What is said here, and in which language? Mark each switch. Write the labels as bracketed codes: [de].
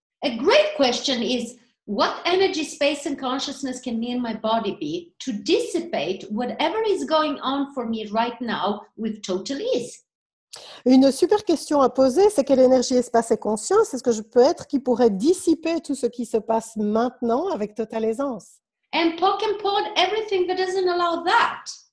[en] A great question is, what energy, space and consciousness can me and my body be to dissipate whatever is going on for me right now with total ease? [fr] Une super question à poser, c'est quelle énergie, espace et conscience est-ce que je peux être qui pourrait dissiper tout ce qui se passe maintenant avec totale aisance? [en] And poke and pod everything that doesn't allow that.